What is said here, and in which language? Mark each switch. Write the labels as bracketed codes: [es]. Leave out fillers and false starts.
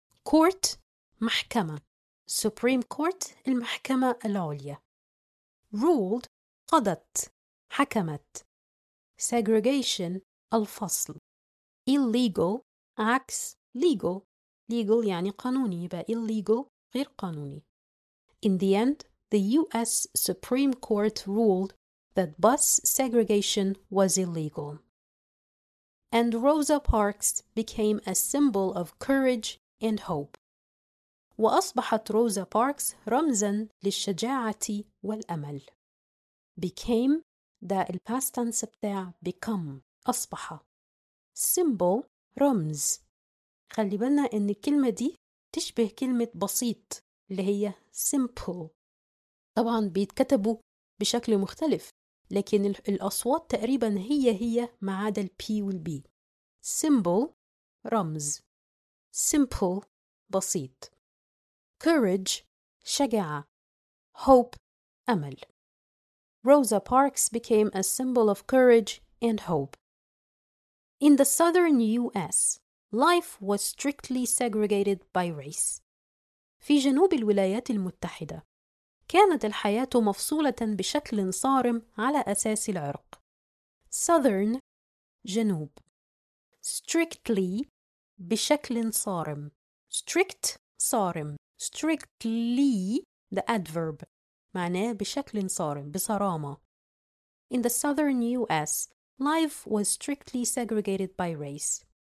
[ar] Court محكمة. Supreme Court المحكمة العليا. Ruled قضت حكمت. [en] Segregation الفصل. Illegal عكس legal. [ar] Legal يعني قانوني يبقى illegal غير قانوني. [en] In the end, the U.S. Supreme Court ruled that bus segregation was illegal. And Rosa Parks became a symbol of courage and hope. [ar] وأصبحت روزا باركس رمزاً للشجاعة والأمل. Became, ده الباست تنس بتاع become, أصبح. Symbol, رمز. خلي بالنا أن الكلمة دي تشبه كلمة بسيط اللي هي simple. طبعاً بيتكتبوا بشكل مختلف لكن الأصوات تقريباً هي ما عدا الـ P والـ B. Symbol, رمز. Simple, بسيط. Courage, شجاعة. [en] Hope, أمل. Rosa Parks became a symbol of courage and hope. In the southern U.S., life was strictly segregated by race. [ar] في جنوب الولايات المتحدة كانت الحياة مفصولة بشكل صارم على أساس العرق. [en] southern جنوب strictly بشكل صارم strict صارم strictly the adverb [ar] معناه بشكل صارم بصرامة [en] in the southern US life was strictly segregated by race